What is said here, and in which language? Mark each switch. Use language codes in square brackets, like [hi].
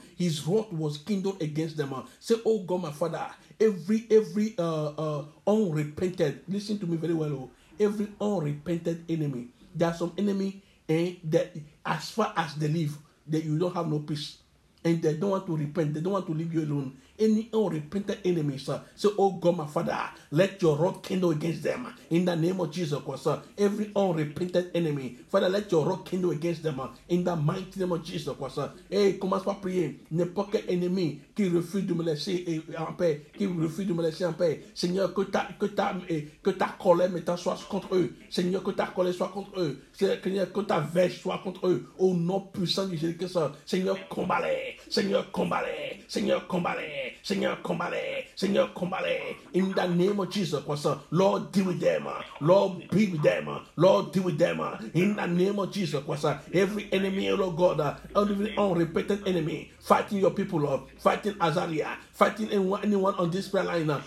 [en] His wrath was kindled against them. Say, oh God, my Father, every unrepented, listen to me very well, every unrepented enemy, there are some enemy that as far as they live, that you don't have no peace. And they don't want to repent. They don't want to leave you alone. Any unrepentant enemies, say, oh God, my Father, let your wrath kindle against them. In the name of Jesus Christ, every unrepentant enemy, Father, let your wrath kindle against them. In the mighty name of Jesus Christ. Hey, [fr] commence par prier. N'importe quel ennemi qui refuse de me laisser en paix, qui refuse de me laisser en paix. Seigneur, que ta colère maintenant soit contre eux. Seigneur, que ta colère soit contre eux. Seigneur, que ta vengeance soit contre eux. Au nom puissant de Jésus-Christ, Seigneur, combat-les. Seigneur, combat-les. Seigneur, combat-les. Seigneur, combat-les. Seigneur, combat-les. [en] In the name of Jesus Christ, Lord, deal with them. Lord, be with them. Lord, deal with them. In the name of Jesus Christ, every enemy, Lord God, every unrepentant enemy, fighting your people, Lord, fighting Azaria, fighting anyone on this prayer line.